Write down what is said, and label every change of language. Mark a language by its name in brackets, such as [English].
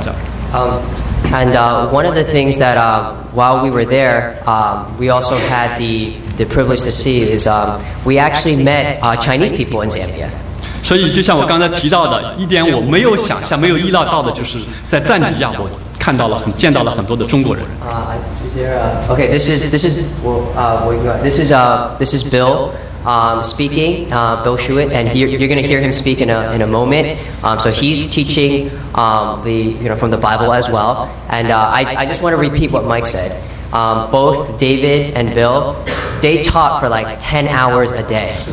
[English] One of the things that while we were there, we also had the privilege to see is we actually met Chinese people in Zambia. [Chinese] 所以就像我刚才提到的，一点我没有想象、没有意料到的，就是在赞比亚，我看到了、见到了很多的中国人。 [English] This is Bill speaking, Bill Schuett, and you're going to hear him speak in a moment. So he's teaching from the Bible as well. And I just want to repeat what Mike said. Both David and Bill, they taught for like 10 hours a day.